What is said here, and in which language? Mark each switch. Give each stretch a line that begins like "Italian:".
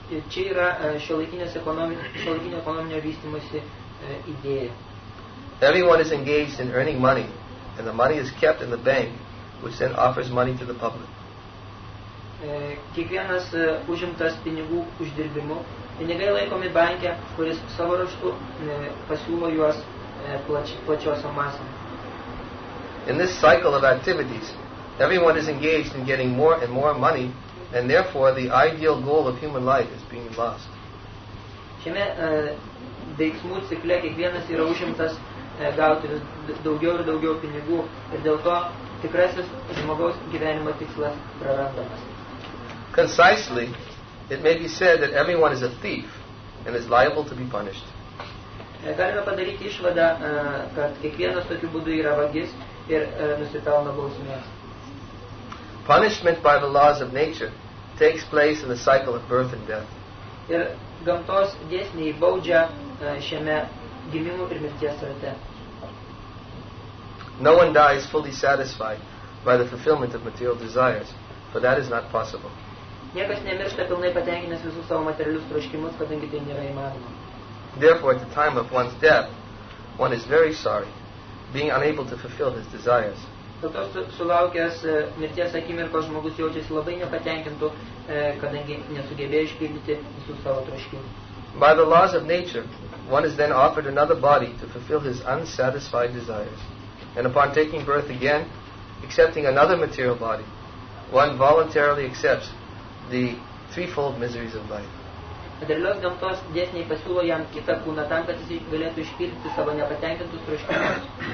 Lithuanian: Čia yra šiuolaikinio ekonominio vystymosi idėja.
English: Everyone is engaged in earning money, and the money is kept in the bank, which then offers money to the public.
Lithuanian: Kiekvienas užimtas pinigų uždirbimu, pinigai laikomi banke, kuris savo raštu pasiūlo juos plačiosiam masam.
English: In this cycle of activities, everyone is engaged in getting more and more money, and therefore the ideal goal of human life is being lost.
Lithuanian: Šiame veiksmų cikle kiekvienas yra užimtas gauti daugiau ir daugiau pinigų, ir dėl to tikrasis žmogaus gyvenimo tikslas prarandamas.
English: Concisely, it may be said that everyone is a thief and is liable to be punished.
Lithuanian: Galime padaryti išvadą, kad kiekvienas tokiu būdu yra vagis ir nusipelno bausmės.
English: Punishment by the laws of nature takes place in the cycle of birth and death.
Lithuanian: Ir gamtos dėsniai baudžia šiame gimimo ir mirties rate.
English: No one dies fully satisfied by the fulfillment of material desires, for that is not possible.
Lithuanian: Niekas nemiršta pilnai patenkinęs visus savo materialius troškimus, kadangi tai nėra įmanoma.
English: Therefore, at the time of one's death, one is very sorry, being unable to fulfill his desires.
Lithuanian: Dėl to sulaukęs mirties akimirkos žmogus jaučiasi labai nepatenkintų, kadangi nesugebėjo išpildyti visus savo troškimus.
English: By the laws of nature, one is then offered another body to fulfill his unsatisfied desires. And upon taking birth again, accepting another material body, one voluntarily accepts the threefold miseries of life.
Lithuanian: Materialios gamtos dėsniai pasiūlo jam kitą kūną tam, kad jis galėtų išpildyti savo nepatenkintus troškimus.